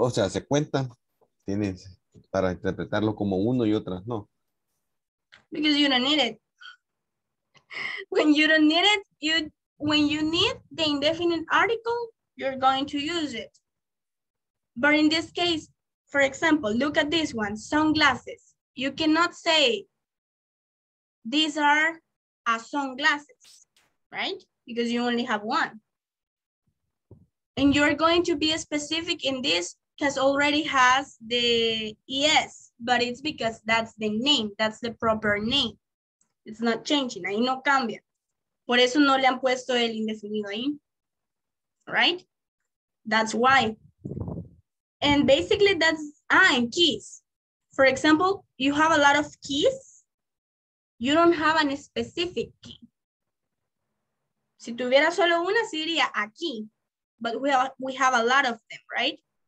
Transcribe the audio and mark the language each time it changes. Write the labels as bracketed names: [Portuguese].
[Spanish] Se cuentan, tienes para interpretarlo como uno y otras no. [English] Because you don't need it. When you don't need it, when you need the indefinite article, you're going to use it. But in this case, for example, look at this one, sunglasses. You cannot say, these are a sunglasses, right? Because you only have one. And you're going to be specific in this because already has the ES, but it's because that's the name, that's the proper name. It's not changing, [Spanish] ahí no cambia. Por eso no le han puesto el indefinido ahí, right? [English] That's why. And basically that's, and keys. For example, you have a lot of keys, you don't have a specific key. [Spanish] Si tuviera solo una, sería aquí. [English] But we have a lot of them, right?